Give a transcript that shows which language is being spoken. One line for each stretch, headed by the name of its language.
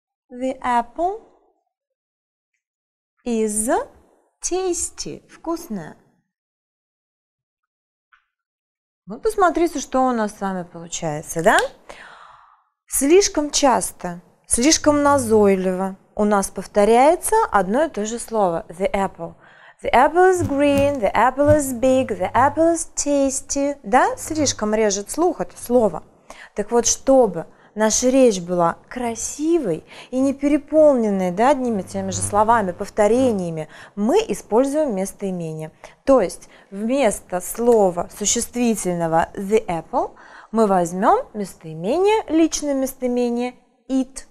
English: The apple is tasty,
Russian: вкусное. Ну, посмотрите, что у нас с вами получается, да? Слишком часто, слишком назойливо у нас повторяется одно и то же слово.
English: The apple. The apple is green, the apple is big, the apple is tasty.
Russian: Да? Слишком режет слух это слово. Так вот, чтобы наша речь была красивой и не переполненной, да, одними теми же словами, повторениями, мы используем местоимение. То есть вместо слова существительного the apple мы возьмем местоимение, личное местоимение it.